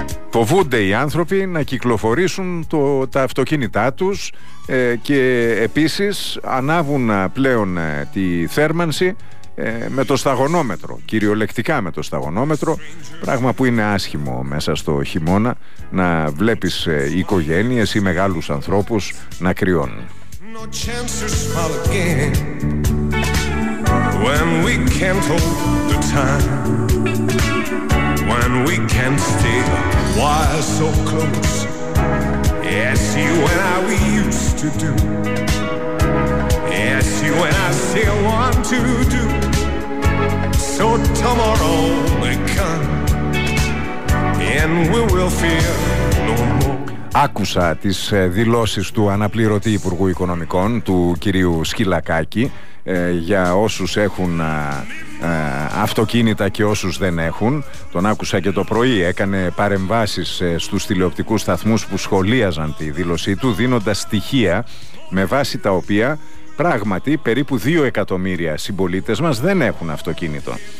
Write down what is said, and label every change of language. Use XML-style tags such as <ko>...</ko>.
<el>Φοβούνται οι άνθρωποι να κυκλοφορήσουν τα αυτοκίνητά τους και επίσης ανάβουν πλέον τη θέρμανση με το σταγονόμετρο, κυριολεκτικά με το σταγονόμετρο, πράγμα που είναι άσχημο μέσα στο χειμώνα να βλέπεις οικογένειες ή μεγάλους ανθρώπους να κρυώνουν.</el> <en>No chances fall again when we can't hold the time. When we can't stay while so close, yes, you and I we used to do, yes, you and I still want to do. So tomorrow may come and we will fear no more.</en> <el>Άκουσα τις δηλώσεις του αναπληρωτή Υπουργού Οικονομικών, του κυρίου Σκυλακάκη, για όσους έχουν αυτοκίνητα και όσους δεν έχουν. Τον άκουσα και το πρωί, έκανε παρεμβάσεις στους τηλεοπτικούς σταθμούς που σχολίαζαν τη δήλωσή του, δίνοντας στοιχεία με βάση τα οποία πράγματι περίπου 2 εκατομμύρια συμπολίτες μας δεν έχουν αυτοκίνητο.</el>